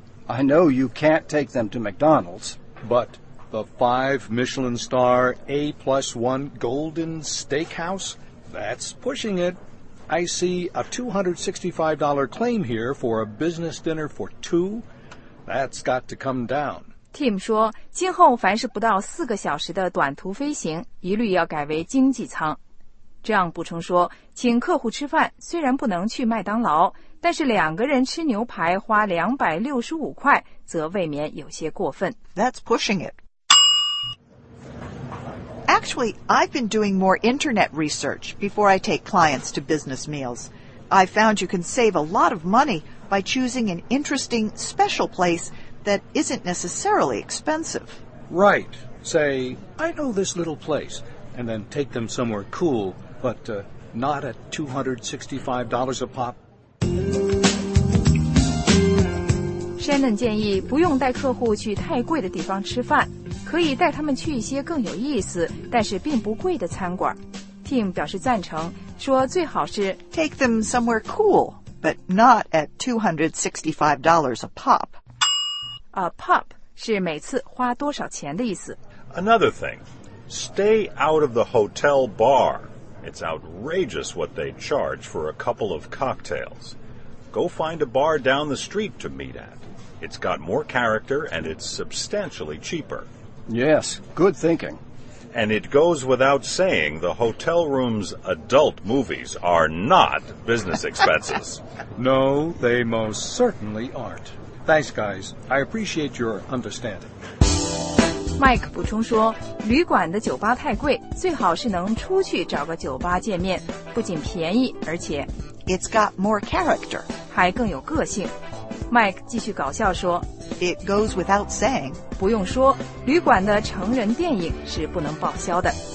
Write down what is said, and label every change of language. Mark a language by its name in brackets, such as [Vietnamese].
[English] I know you can't take them to McDonald's. But the 5-Michelin-star A+1 Golden Steakhouse? That's pushing it. I see a $265 claim here for a business dinner for two. That's got to come down. [Chinese] Tim 说，今后凡是不到4个小时的短途飞行，一律要改为经济舱。这样补充说，请客户吃饭虽然不能去麦当劳，但是两个人吃牛排花265块则未免有些过分。 [English] That's pushing it. Actually, I've been doing more internet research before I take clients to business meals. I found you can save a lot of money by choosing an interesting, special place that isn't necessarily expensive. Right. Say, I know this little place, and then take them somewhere cool, but not at $265 a pop. [Chinese] Shannon 建议不用带客户去太贵的地方吃饭，可以带他们去一些更有意思但是并不贵的餐馆。 Tim 表示赞成，说最好是 [English] Take them somewhere cool, but not at $265 a pop. [Chinese] A pop 是每次花多少钱的意思。 [English] Another thing, stay out of the hotel bar. It's outrageous what they charge for a couple of cocktails. Go find a bar down the street to meet at. It's got more character and it's substantially cheaper. Yes, good thinking. And it goes without saying, the hotel room's adult movies are not business expenses. No, they most certainly aren't. Thanks, guys. I appreciate your understanding. [Chinese] Mike 补充说，旅馆的酒吧太贵，最好是能出去找个酒吧见面，不仅便宜，而且 [English] It's got more character. [Chinese] 还更有个性。Mike 继续搞笑说， [English] It goes without saying. [Chinese] 不用说，旅馆的成人电影是不能报销的。